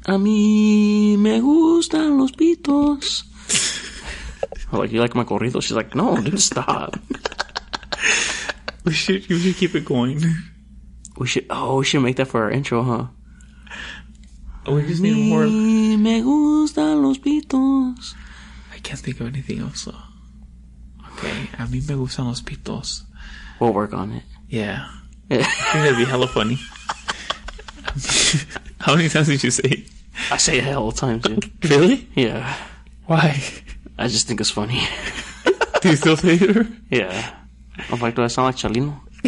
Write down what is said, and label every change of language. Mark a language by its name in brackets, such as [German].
[Spanish] A mí me gustan los pitos. [English] I'm like, you like my corrido? She's like, no, dude, stop. We should keep it going. We should make that for our intro, huh? We just need more. [Spanish] Me gustan los pitos. [English] I can't think of anything else. So. [Spanish] Okay, a mí me gustan los pitos. [English] We'll work on it. Yeah. I think that'd be hella funny. How many times did you say it? I say it all the time, dude. Really? Yeah. Why? I just think it's funny. Do you still say it? Yeah. I'm like, do I sound like Chalino?